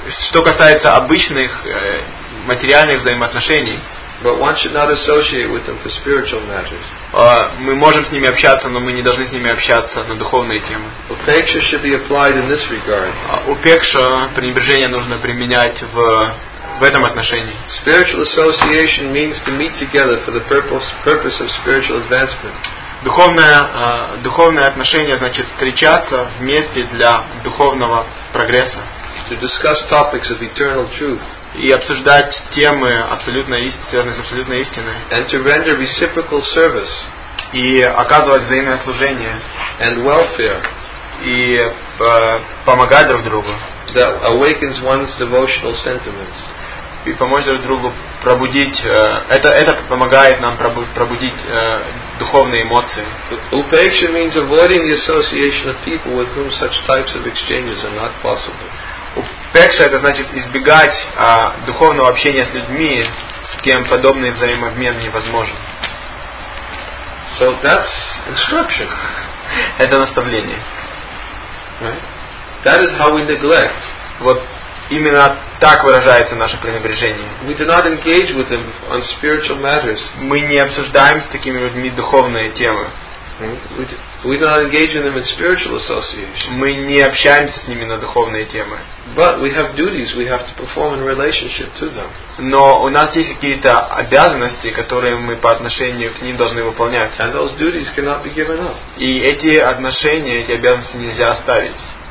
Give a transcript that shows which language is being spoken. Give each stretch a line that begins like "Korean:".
Russian: Что касается обычных материальных взаимоотношений,
English: but one should not associate with them for spiritual matters.
Russian: Мы можем с ними общаться, но мы не должны с ними общаться на духовные темы.
English: Upeksha should be applied in this regard.
Russian: Upeksha, пренебрежение нужно применять в этом отношении.
English: Spiritual association means to meet together for the purpose of spiritual advancement.
Russian: Духовное отношение значит встречаться вместе для духовного прогресса.
English: To discuss topics of eternal truth.
Russian: И обсуждать темы связанные с абсолютной истиной.
English: And to render reciprocal service.
Russian: И оказывать взаимное служение.
English: And welfare.
Russian: и помогать друг другу.
English: That awakens one's devotional sentiments.
Russian: И помочь друг другу пробудить, это помогает нам пробудить духовные эмоции.
English: Upeksha means avoiding the association of people with whom such types of exchanges are not possible.
Russian: Упекша — это значит избегать духовного общения с людьми, с кем подобный взаимообмен невозможен.
English: So that's instruction.
Russian: Это наставление.
English: Right? That is how we neglect.
Russian: Вот именно так выражается наше пренебрежение.
English: We do not engage with them on spiritual matters.
Russian: Мы не обсуждаем с такими людьми духовные темы.
English: We do not engage in them in spiritual association.
Russian: Мы не общаемся с ними на духовные темы.
English: But we have duties we have to perform in relationship to them.
Russian: Но у нас есть какие-то обязанности, которые мы по отношению к ним должны выполнять.
English: And those duties cannot be given up.
Russian: И эти отношения, эти обязанности нельзя оставить.